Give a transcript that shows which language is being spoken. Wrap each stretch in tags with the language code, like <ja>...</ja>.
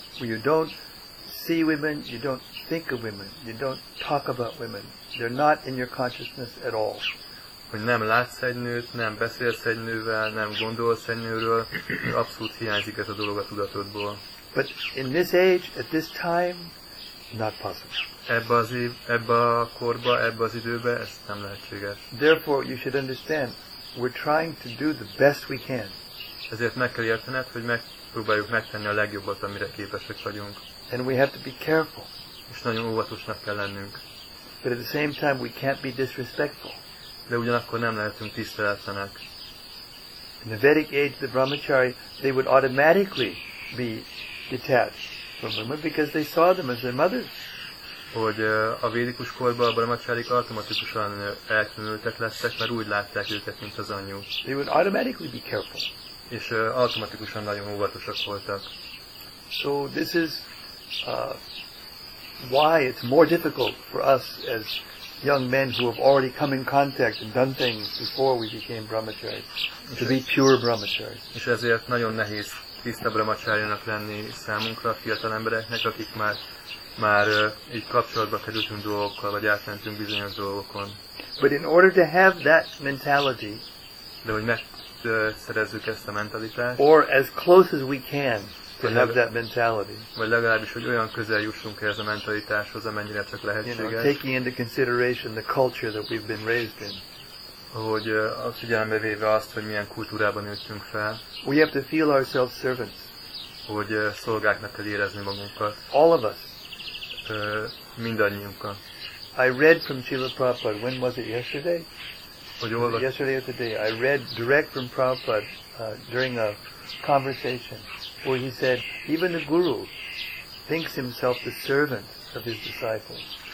<en>You don't see women, you don't think of women, you don't talk about women. They're not in your consciousness at all.</en> <hu>Hogy nem látsz egy nőt, nem beszélsz egy nővel, nem gondolsz egy nőről, abszolút hiányzik ez a dolog a tudatodból.</hu> <en>But in this age, at this time, not possible.</en> <hu>Ebbe a korba, ebbe az időbe, ez nem lehetséges.</hu> <en>Therefore, you should understand, we're trying to do the best we can.</en> <hu>Ezért meg kell értened, hogy megpróbáljuk megtenni a legjobbat, amire képesek vagyunk.</hu> <en>And we have to be careful.</en> <hu>És nagyon óvatosnak kell lennünk.</hu> <en>But at the same time, we can't be disrespectful.</en> <hu>De ugyanakkor nem lehetünk tiszteletlenek.</hu> <en>In the Vedic age, the brahmachari, they would automatically be detached from women because they saw them as their mothers.</en> <hu>Hogy a védikus korban a brahmacsárik automatikusan elkülönültek lesznek, mert úgy látták őket, mint az anyjuk.</hu> <en>They would automatically be careful.</en> <hu>És automatikusan nagyon óvatosak voltak.</hu> <en>So this is why it's more difficult for us as young men who have already come in contact and done things before we became brahmacharis to be pure brahmacharis.</en> <hu>És ezért nagyon nehéz tiszta brahmacsárinak lenni számunkra, a fiatal embereknek, akik már így kapcsolatba kerültünk dolgokkal, vagy átmentünk bizonyos dolgokon.</hu> <en>But in order to have that mentality,</en> <hu>de hogy megszerezzük ezt a mentalitást,</hu> <en>or as close as we can to have that mentality,</en> <hu>vagy legalábbis, hogy olyan közel jussunk ehhez a mentalitáshoz, amennyire csak lehetséges,</hu> <en>you know, taking into consideration the culture that we've been raised in,</en> <hu>hogy a figyelembe véve azt, hogy milyen kultúrában nőttünk fel,</hu> <en>we have to feel ourselves servants,</en> <hu>hogy szolgáknak kell érezni magunkat,</hu> <en>all of us,</en> <hu>mindannyiunkat.</hu> <en>I read from Srila Prabhupada, when was it, yesterday? Yesterday or today, I read direct from Prabhupada during a conversation where he said, even the guru thinks himself the servant of his disciples.</en>